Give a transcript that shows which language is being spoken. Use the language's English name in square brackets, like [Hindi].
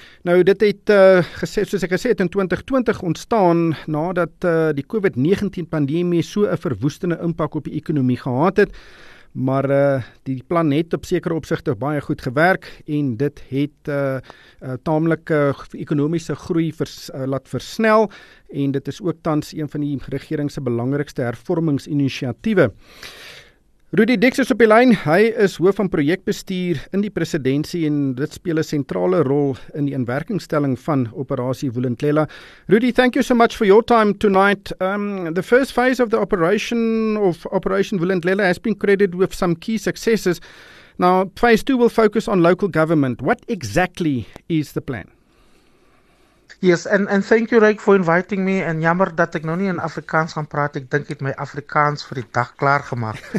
[Afrikaans] Nou, dit het, soos ek gesê het, in 2020 ontstaan nadat die COVID-19 pandemie so 'n verwoestende impak op die ekonomie gehad het, maar die plan het op sekere opsigte baie goed gewerk en dit het ekonomiese groei laat versnel en dit is ook tans een van die regering se belangrikste hervormingsinisiatiewe. Rudy Dix is op die lyn, hy is hoof van projekbestuur in die presidentie en dit speel 'n sentrale rol in die inwerkingstelling van operasie Vulindlela. [English] Rudy, thank you so much for your time tonight. The first phase of the operation Vulindlela has been credited with some key successes. Now, phase two will focus on local government. What exactly is the plan? Yes, and thank you, Rick, for inviting me. [Afrikaans] En jammer dat ek nou nie in Afrikaans gaan praat. Ek dink ek my Afrikaans vir die dag klaar gemaak.